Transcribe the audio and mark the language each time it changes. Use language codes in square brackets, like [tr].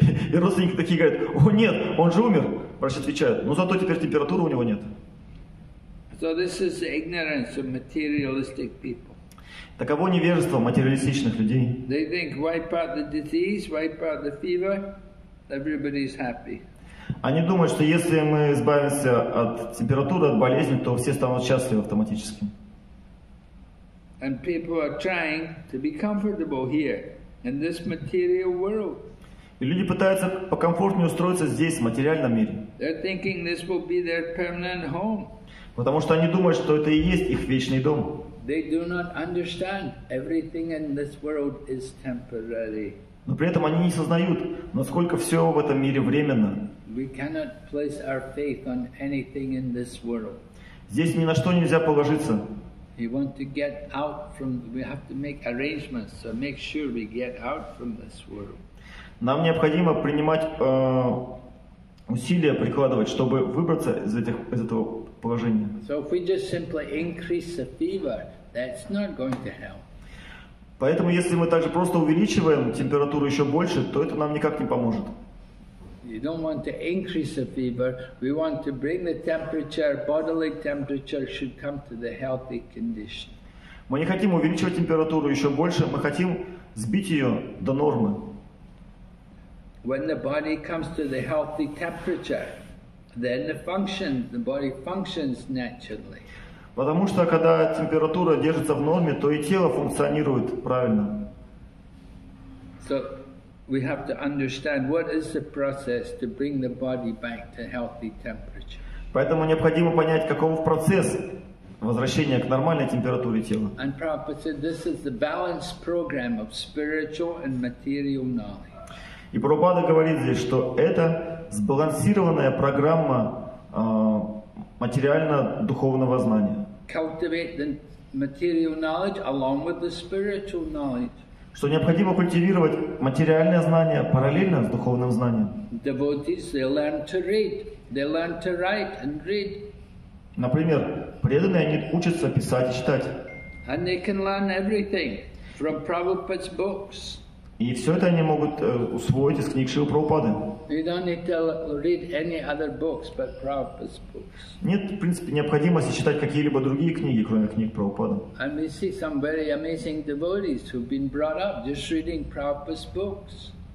[ru] И родственники такие говорят, о нет, он же умер. Врач отвечает, но зато теперь температуры у него нет. [en] So this is the ignorance of materialistic people. [ru] Таково невежество материалистичных людей. [en] They think, wipe out the disease, wipe out the fever, everybody's happy. [ru] Они думают, что если мы избавимся от температуры, от болезни, то все станут счастливы автоматически. [en] And people are trying to be comfortable here, in this material world. [ru] И люди пытаются покомфортнее устроиться здесь, в материальном мире. [en] They're thinking this will be their permanent home. [ru] Потому что они думают, что это и есть их вечный дом. [en] They do not understand everything in this world is temporary. [ru] Но при этом они не сознают, насколько все в этом мире временно. [en] We cannot place our faith on anything in this world. [ru] Здесь ни на что нельзя положиться. [en] We want to get out from. We have to make arrangements so make sure we get out from this world. [ru] Нам необходимо принимать усилия, прикладывать, чтобы выбраться из этого положения. [en] So if we just simply increase the fever, that's not going to help. [ru] Поэтому, если мы также просто увеличиваем температуру еще больше, то это нам никак не поможет. [en] You don't want to increase the fever. We want to bring the temperature, bodily temperature, should come to the healthy condition. [ru] Мы не хотим увеличивать температуру еще больше, мы хотим сбить ее до нормы. [en] When the body comes to the healthy temperature, then the body functions naturally. [ru] Потому что когда температура держится в норме, то и тело функционирует правильно. [en] So we have to understand what is the process to bring the body back to healthy temperature. [ru] Поэтому необходимо понять, каков процесс возвращения к нормальной температуре тела. [en] And Prabhupada said, this is the balanced program of spiritual and material knowledge. [ru] И Прабхупада говорит здесь, что это сбалансированная программа материально-духовного знания. [en] Cultivate the material knowledge along with the spiritual knowledge. [ru] Что необходимо культивировать материальное знание параллельно с духовным знанием. [en] Devotees, they learn to read. They learn to write and read. [ru] Например, преданные, они учатся писать и читать. [en] And they can learn everything from Prabhupada's books. [ru] И все это они могут усвоить из книг Шрилы Прабхупады. [en] You don't need to read any other books but Prabhupada's books. [ru] Нет, в принципе, необходимости читать какие-либо другие книги, кроме книг Прабхупады. [en] And we see some very amazing devotees who've been brought up just reading Prabhupada's books.